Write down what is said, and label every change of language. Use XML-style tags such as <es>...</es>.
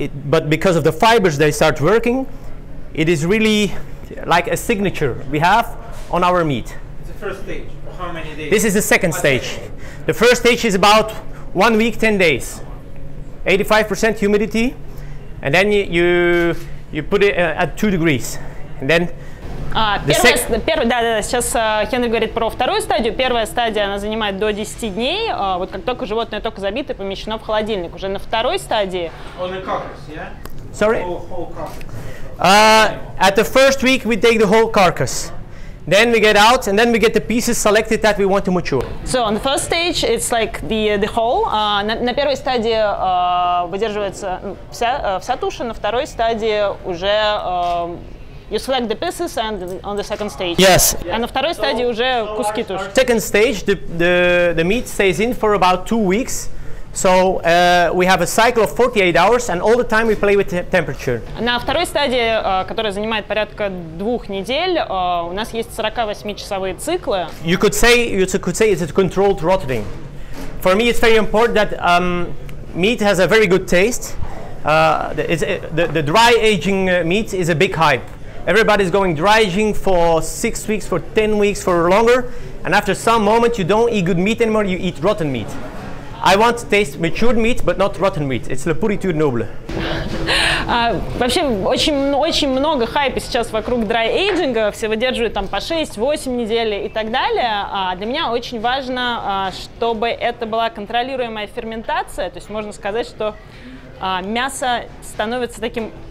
<en>But because of the fibers they start working, it is really like a signature we have on our meat. It's the first stage. How many days? This is the second stage. The first stage is about 1 week, 10 days, 85% humidity, and then you put it at 2 degrees, and then.</en> <ru>Сейчас Хендрик говорит про вторую стадию. Первая стадия, она занимает до 10 дней, вот как только животное только забито, помещено в холодильник. Уже на второй стадии...</ru> <en>On the carcass, yeah? Sorry? Whole carcass. At the first week we take the whole carcass. Then we get out and then we get the pieces selected that we want to mature. So on the first stage it's like the whole.</en> <ru>На первой стадии выдерживается вся туша, на второй стадии уже...</ru> <en>You select the pieces and on the second stage. Yes. And on the second stage,</en> <ru>уже куски туши.</ru> <en>Second stage, the meat stays in for about 2 weeks. So we have a cycle of 48 hours, and all the time we play with temperature.</en> <ru>На второй стадии, которая занимает порядка 2 недель, у нас есть 48-часовые циклы.</ru> <en>You could say it's a controlled rotting. For me, it's very important that meat has a very good taste. The dry aging meat is a big hype. Everybody's going dry aging for 6 weeks, for 10 weeks, for longer, and after some moment you don't eat good meat anymore, you eat rotten meat. I want to taste matured meat, but not rotten meat. It's la puritude noble.</en> <ru>Вообще очень много хайпа сейчас вокруг dry aging. Все выдерживают там по 6-8 недель и так далее. Для меня очень важно, чтобы это была контролируемая ферментация. То есть можно сказать, что мясо становится таким.</ru>